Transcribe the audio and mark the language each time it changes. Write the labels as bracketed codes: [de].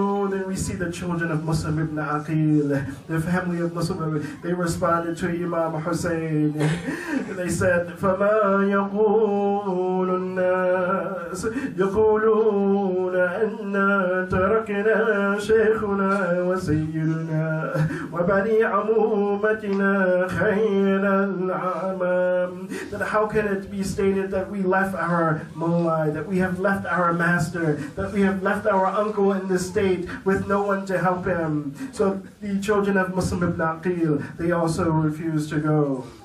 [en] Then we see the children of Muslim ibn Aqil, the family of Muslim, they responded to Imam Hussein. They said, [ar] فَمَا يَقُولُ النَّاسُ يَقُولُونَ أَنَّا تَرَكْنَا شَيْخُنَا وَسَيِّدُنَا وَبَنِي عَمُومَتِنَا خَيْرَ الْعَمَامِ. [en] Then how can it be stated that we left our mullah, that we have left our man, that we have left our uncle in this state with no one to help him? So the children of Muslim ibn Aqil, they also refused to go.